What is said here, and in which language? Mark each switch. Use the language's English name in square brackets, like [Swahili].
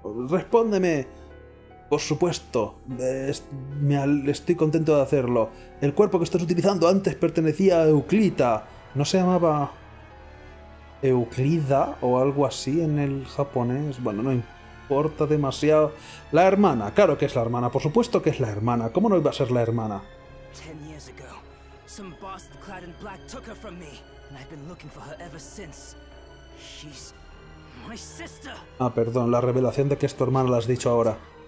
[Spanish] Respóndeme. Por supuesto, estoy contento de hacerlo. El cuerpo que estás utilizando antes pertenecía a Euclida. ¿No se llamaba Euclida o algo así en el japonés? Bueno, no importa demasiado. La hermana, claro que es la hermana, por supuesto que es la hermana. ¿Cómo no iba a ser la hermana? [English] 10 [Spanish] años [English] ago, some boss clad in black took her from me, and I've been looking for her ever since. She's my sister. [Spanish] Ah, perdón, la revelación de que es tu hermana la has dicho ahora.